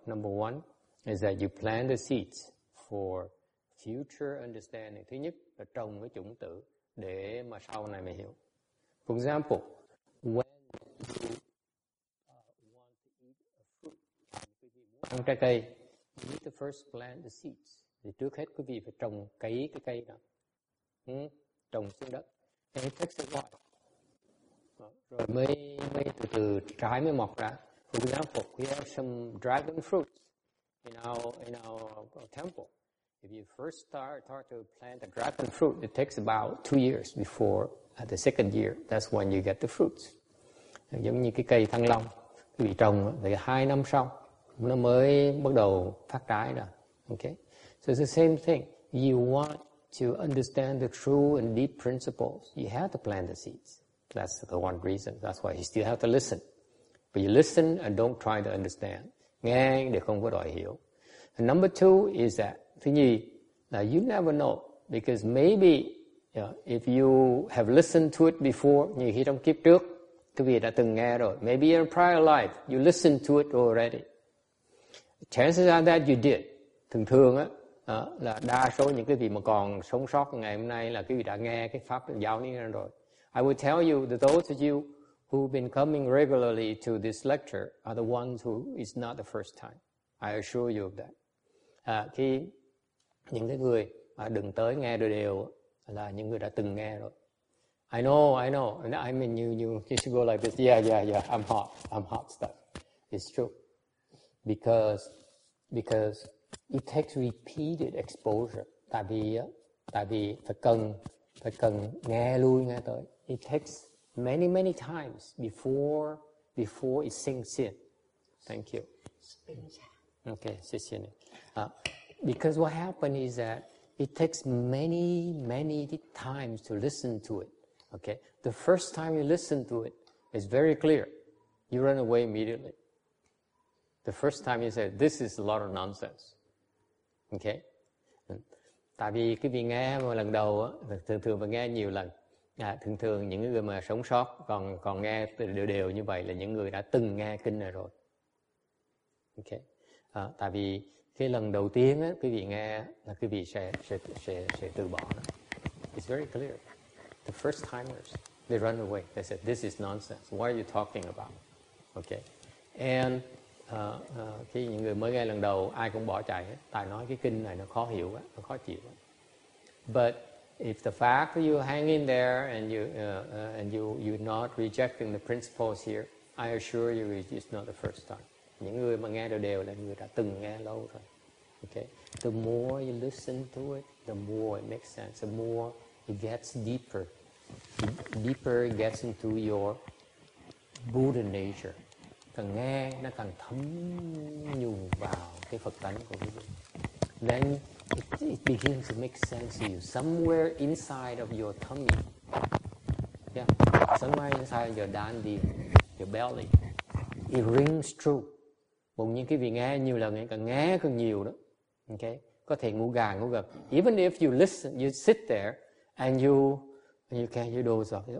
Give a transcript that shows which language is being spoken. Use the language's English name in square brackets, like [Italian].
[English] Number one is that you plant the seeds for future understanding. [Vietnamese] Thứ nhất là trồng cái chủng tử để mà sau này mình hiểu. [English] For example, when you want to eat a fruit, [Vietnamese] ăn trái cây, [English] you need to first plant the seeds. [Vietnamese] Thì trước hết quý vị phải trồng cấy cái cây đó, trồng xuống đất. [English] And it takes a while. [Vietnamese] Rồi mới từ từ trái mới mọc ra. [English] For example, we have some dragon fruits in our temple. If you first start to plant a dragon fruit, it takes about 2 years before the second year. That's when you get the fruits. [Vietnamese] giống như cái cây thanh long bị trồng thì 2 năm sau nó mới bắt đầu phát trái ra. [English] Okay, so it's the same thing. You want to understand the true and deep principles, you have to plant the seeds. That's the one reason. That's why you still have to listen. But you listen and don't try to understand. [Vietnamese] Nghe để không có đòi hiểu. [English] And number two is that, [Vietnamese] thứ nhì, là [English] you never know. Because maybe, you know, if you have listened to it before, [Vietnamese] như khi trong kiếp trước, quý vị đã từng nghe rồi. [English] Maybe in a prior life, you listened to it already. Chances are that you did. [Vietnamese] Thường thường á, là đa số những cái vị mà còn sống sót ngày hôm nay là quý vị đã nghe cái pháp giáo này rồi. [English] I will tell you that those of you who've been coming regularly to this lecture are the ones who is not the first time. I assure you of that. [Vietnamese] Khi những cái người đừng tới nghe đều là những người đã từng nghe rồi. [English] I know. And I mean, you should go like this. Yeah. I'm hot stuff. It's true. Because it takes repeated exposure. [Vietnamese] Tại vì phải cần nghe lui nghe tới. [English] It takes many times before it sinks in. Thank you. Okay, Sisyan. Because what happened is that it takes many times to listen to it. Okay, the first time you listen to it, it's very clear. You run away immediately. The first time you say, "This is a lot of nonsense." [Vietnamese] Okay, tại vì cái vị nghe một lần đầu á, thường thường mà nghe nhiều lần. Thường thường những người mà sống sót còn nghe đều như vậy là những người đã từng nghe kinh này rồi. Okay. Tại vì cái lần đầu tiên á, quý vị nghe là quý vị sẽ từ bỏ. [English] It's very clear. The first timers, they run away. They said, "This is nonsense. What are you talking about?" Okay. [Vietnamese] And khi những người mới nghe lần đầu, ai cũng bỏ chạy. Tại nói cái kinh này nó khó hiểu quá, nó khó chịu quá. [English] But if the fact that you hang in there and you're not rejecting the principles here, I assure you it's not the first time. [Vietnamese] Những người mà nghe đều là người đã từng nghe lâu rồi. [English] Okay. The more you listen to it, the more it makes sense. The more it gets deeper. Deeper it gets into your Buddha nature. [Vietnamese] Càng nghe, nó càng thấm nhuần vào cái Phật tánh của quý vị. [English] Then it begins to make sense to you. Somewhere inside of your tummy. Yeah. Somewhere inside your dandy, your belly. It rings true. [Vietnamese] Bỗng nhiên cái vị nghe nhiều lần, càng nghe càng nhiều đó. Okay. Có thể ngủ gà, ngủ gật. [English] Even if you listen, you sit there, and you doze off.